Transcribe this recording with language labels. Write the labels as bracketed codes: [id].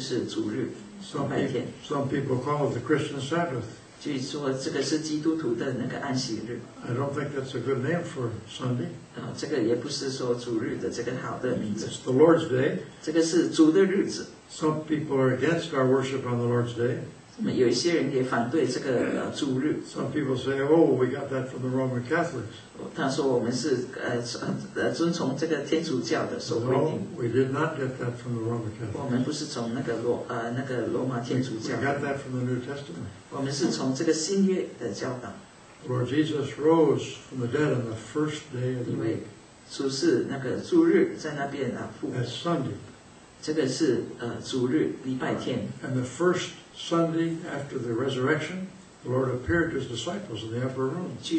[zh] 在恩典的时代当中，我们敬拜主就是一周的开始第一天，就是主日，崇拜天。 [en] Some people call it the Christian Sabbath. [zh] 据说这个是基督徒的那个安息日。 [en] I don't think that's a good name for Sunday. [zh] 这个也不是说主日的这个好的名字。 [en] It's the Lord's day. [zh] 这个是主的日子。 [en] Some people are against our worship on the Lord's day. [zh] 有一些人也反对这个主日。 [en] Some people say, oh, we got that from the Roman Catholics. [zh] 他说我们是遵从这个天主教的所规定。 [en] No, we did not get that from the Roman Catholics. [zh] 我们不是从那个罗马天主教。 [en] We got that from the New Testament. [zh] 我们是从这个新约的教导。 [en] Lord Jesus rose from the dead on the first day of the week. [zh] 主是那个主日在那边复活。 [en] At Sunday. [zh] 这个是主日礼拜天。 [en] And the first Sunday after the resurrection, the Lord appeared to his disciples in the upper room.